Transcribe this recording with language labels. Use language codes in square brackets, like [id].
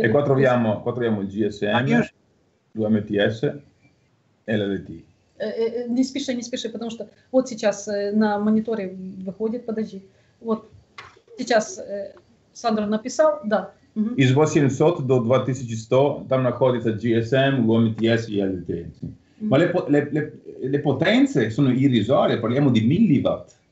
[it] E qua troviamo il GSM, l'UMTS e l'LTE. [ru] Не спеши, потому что вот сейчас на мониторе выходит, подожди. Вот, сейчас Сандра написал, да. Из 800 до 2100 там находится GSM, UMTS и LTE. [it] Ma le potenze sono irrisorie, parliamo di milliwatt.